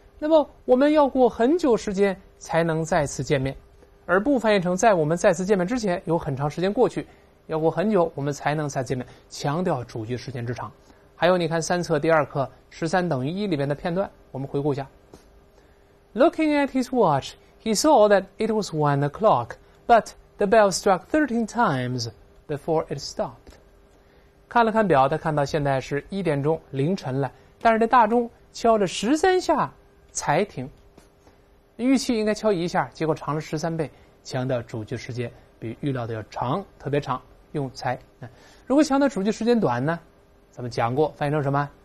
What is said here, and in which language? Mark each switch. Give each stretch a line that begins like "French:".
Chinese: 那么我们要过很久时间才能再次见面。而不翻译成在我们再次见面之前有很长时间过去，要过很久我们才能再见面，强调主句时间之长。还有你看三册第二课13等于1里面的片段，我们回顾一下。
English: Looking at his watch, he saw that it was 1 o'clock, but the bell struck 13 times before it stopped.
Chinese: 看了看表，他看到现在是一点钟，凌晨了，但是这大钟敲了13下才停。预期应该敲一下，结果长了13倍，强调主句时间比预料的要长，特别长，用才。如果强调主句时间短呢？咱们讲过，翻译成什么？